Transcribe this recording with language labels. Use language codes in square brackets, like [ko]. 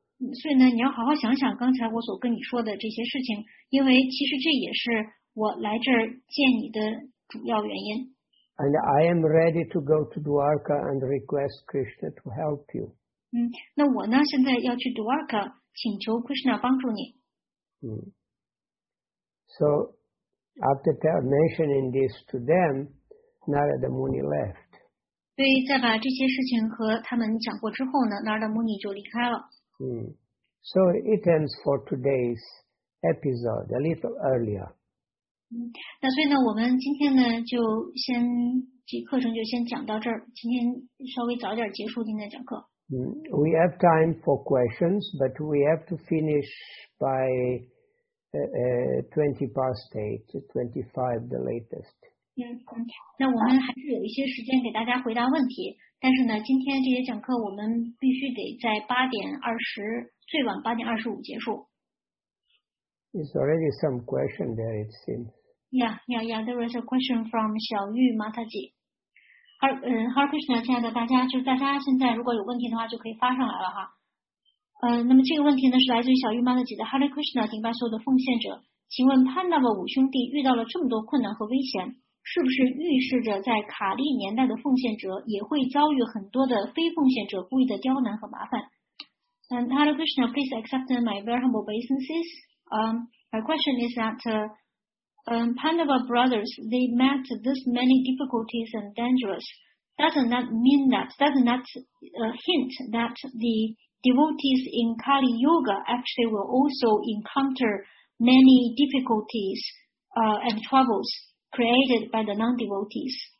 [zh] 所以呢，你要好好想想刚才我所跟你说的这些事情，因为其实这也是我来这儿见你的主要原因。 [en] And I am ready to go to Dwarka and request Krishna to help you. [zh] 那我呢，现在要去 Dwarka， 请求 Krishna 帮助你。 [en] So after mentioning this to them, Narada Muni left. [zh] 所以在把这些事情和他们讲过之后呢 ，Narada Muni 就离开了。 [en] So it ends for today's episode a little earlier. [zh] 那所以呢，我们今天呢就先这课程就先讲到这儿，今天稍微早点结束今天讲课。 [en] We have time for questions, but we have to finish by 20 past 8, 25 the latest. [zh] 那我们还是有一些时间给大家回答问题，但是呢，今天这些讲课我们必须得在8:20，最晚8:25结束。 [en] There's already some question there, it seems. Yeah. There was a question from 小玉 Mataji。 [zh] Hare Krishna， 亲爱的大家，就是大家现在如果有问题的话，就可以发上来了哈。那么这个问题呢是来自于小玉妈的姐的 Hare Krishna， 顶拜所有的奉献者，请问 Pandava 五兄弟遇到了这么多困难和危险，是不是预示着在卡利年代的奉献者也会遭遇很多的非奉献者故意的刁难和麻烦？ [en] Hare Krishna， please accept my very humble obeisances. My question is that Pandava brothers, they met this many difficulties and dangers. Doesn't that hint that the devotees in Kali Yuga actually will also encounter many difficulties and troubles created by the non-devotees?